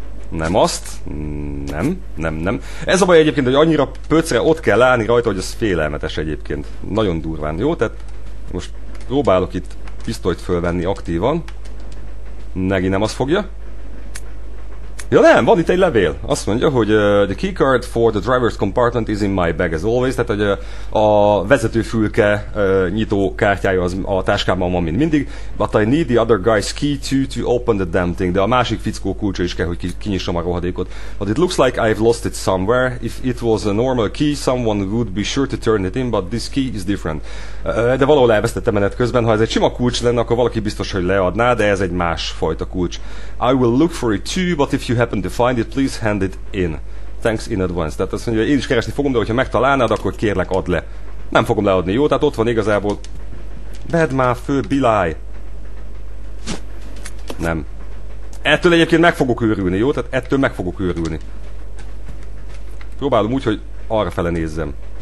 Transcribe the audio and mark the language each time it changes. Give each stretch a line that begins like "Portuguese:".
Hungarian: Nem azt. Nem, nem, nem. Ez a baj egyébként, hogy annyira pöcre ott kell állni rajta, hogy ez félelmetes egyébként. Nagyon durván, jó? Tehát most próbálok itt pisztolyt fölvenni aktívan. Megint nem azt fogja. Ja nem, van itt egy levél. Azt mondja, hogy
English: the key card for the driver's compartment is in my bag as always.
Hungarian: Tehát, hogy a vezetőfülke nyitó kártyája az a táskában van, mint mindig.
English: But I need the other guy's key to open the damn thing.
Hungarian: De a másik fickó kulcsa is kell, hogy kinyissam a rohadékot.
English: But it looks like I've lost it somewhere. If it was a normal key, someone would be sure to turn it in, but this key is different.
Hungarian: De valahol elvesztettem menet közben. Ha ez egy sima kulcs lenne, akkor valaki biztos, hogy leadná, de ez egy másfajta kulcs.
English: I will look for it too, but if you happen to find it, please hand it in. Thanks in advance.
Hungarian: Tehát azt mondja, hogy én is keresni fogom, de hogyha megtalálnád, akkor kérlek, add le. Nem fogom leadni, jó? Tehát ott van igazából... Vedd már föl, Bilály! Nem. Ettől egyébként meg fogok őrülni, jó? Tehát ettől meg fogok őrülni. Próbálom úgy, hogy arrafele nézzem.